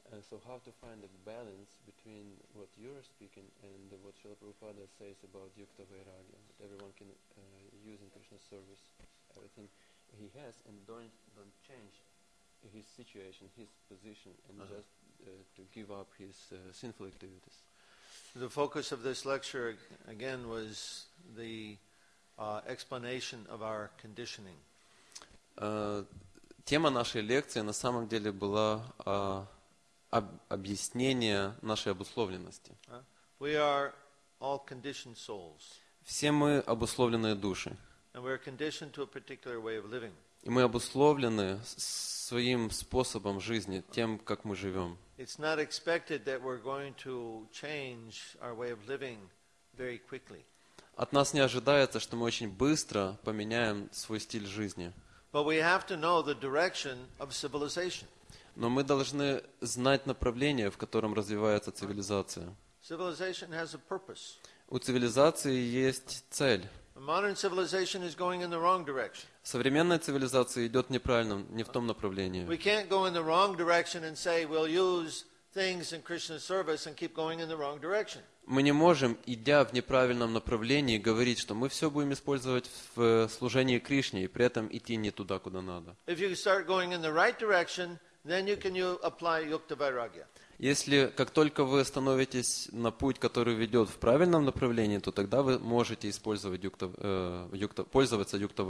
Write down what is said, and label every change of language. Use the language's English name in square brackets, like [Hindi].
[English] So how to find a balance between what you're speaking and what Srila Prabhupada says about Yukta Vairagya, that everyone can use in Krishna's service everything he has, and don't change his situation, his position, and uh-huh. just to give up his sinful activities. The focus of this lecture, again, was the explanation of our conditioning. [Russian] Тема нашей лекции на самом деле была объяснение нашей обусловленности. [English] We are all conditioned souls. [Russian] Все мы обусловленные души. [English] And we are conditioned to a particular way of living. [Russian] И мы обусловлены своим способом жизни, тем, как мы живем. [English] It's not expected that we're going to change our way of living very quickly. [Russian] От нас не ожидается, что мы очень быстро поменяем свой стиль жизни. [English] But we have to know the direction of civilization. [Russian] Но мы должны знать направление, в котором развивается цивилизация. [English] Civilization has a purpose. [Russian] У цивилизации есть цель. [English] Modern civilization is going in the wrong direction. [Russian] Современная цивилизация идет неправильно, не в том направлении. [English] We can't go in the wrong direction and say we'll use things in Krishna's service and keep going in the wrong direction. [Russian] Мы не можем, идя в неправильном направлении, говорить, что мы все будем использовать в служении Кришне и при этом идти не туда, куда надо. [English] If you start going in the right direction, then you can apply Yukta Vairagya. [Russian] Если как только вы становитесь на путь, который ведет в правильном направлении, то тогда вы можете пользоваться Юкта